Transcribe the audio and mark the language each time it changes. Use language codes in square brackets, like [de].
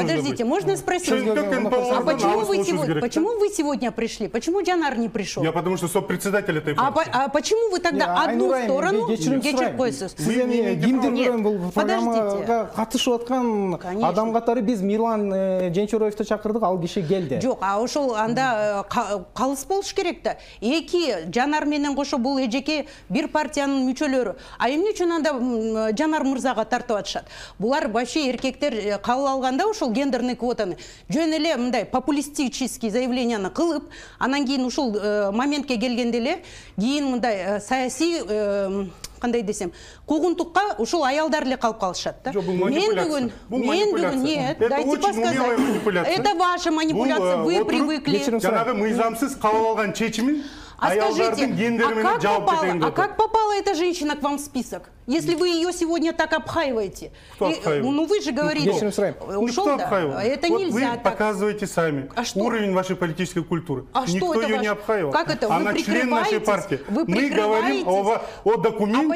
[ru] подождите, можно спросить? Почему вы сегодня пришли? Почему Жанар не пришел? Я потому что сопредседатель этой партии. А почему вы тогда одну сторону [ky] кечиркой? Сиз эми кимдир бирөөнүн бул программага катышып аткан адам катары биз Мирлан Жэнчөрөевду чакырдык, ал киши келди. Жок, а ошол анда калыс болуш керек да. Эки Жанар менен кошо бул эжеке бир партиянын мүчөлөрү. А эмне үчүн анда Жанар мырзага тартып атышат? Булар вообще эркектер кабыл алганда ушул гендерный квотаны жөн эле мындай популистический заявленияны кылып, анан кийин ушул моментке келгенде эле кийин мындай саясий кандай десем, куугунтукка ушул аялдар эле калып калышат да. Мен бүгүн, [ru] нет, дайте посказать. Это ваша манипуляция, вы привыкли. [ky] Жанагы мыйзамсыз кабыл алган чечимин аялдардын гендери менен жабып кетейин деп. [ru] А как попала эта женщина к вам в список? Если вы ее сегодня так обхаиваете. Кто обхаивает? Ну вы же говорите. Ушел, да? Это нельзя. Вы показываете сами уровень вашей политической культуры. А что это? Никто ее не обхаивал. Как это? Она член нашей партии. Вы прикрываетесь? Мы говорим о документе.